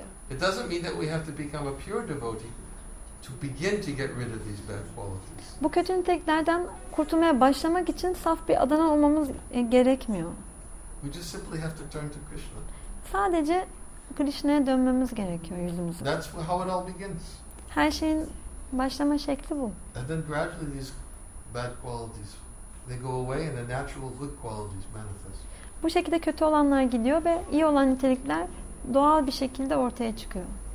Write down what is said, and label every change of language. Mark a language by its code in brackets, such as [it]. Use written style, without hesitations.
[en] It doesn't mean that we have to become a pure devotee to begin to get rid of these bad qualities. [tr] Bu kötü niteliklerden kurtulmaya başlamak için saf bir adana olmamız gerekmiyor. [en] We just simply have to turn to Krishna. [tr] Sadece Krishna'ya dönmemiz gerekiyor yüzümüzü. [en] That's how it all begins. [tr] Her şeyin başlama şekli bu. [en] And then gradually these bad qualities they go away and the natural good qualities manifest. [tr] Bu şekilde kötü olanlar gidiyor ve iyi olan nitelikler doğal bir şekilde ortaya çıkıyor.